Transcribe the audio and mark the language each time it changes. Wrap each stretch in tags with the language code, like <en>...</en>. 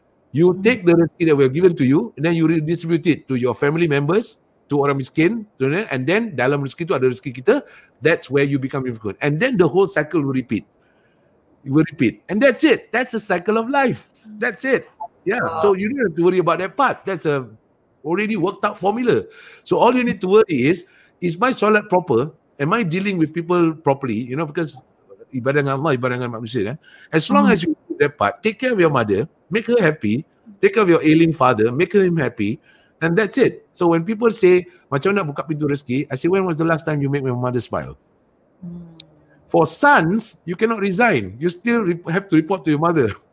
<en>You take the rezeki that were given to you and then you redistribute it to your family members, to</en> <ms>orang miskin,</ms> <en>and then</en> <ms>dalam rezeki itu ada rezeki kita,</ms> <en>that's where you become infrequent. And then the whole cycle will repeat. It will repeat. And that's it. That's a cycle of life. That's it. Yeah. Wow. So you don't have to worry about that part. That's a already worked out formula. So all you need to worry is my solat proper? Am I dealing with people properly? You know, because</en> <ms>ibadah dengan Allah, ibadah dengan manusia. Eh?</ms> <en>As long as you do that part, take care of your mother, make her happy, take care of your ailing father, make him happy, and that's it. So when people say,</en> <ms>macam nak buka pintu rezeki,</ms> <en>I say, when was the last time you make my mother smile? For sons, you cannot resign. You still have to report to your mother.</en>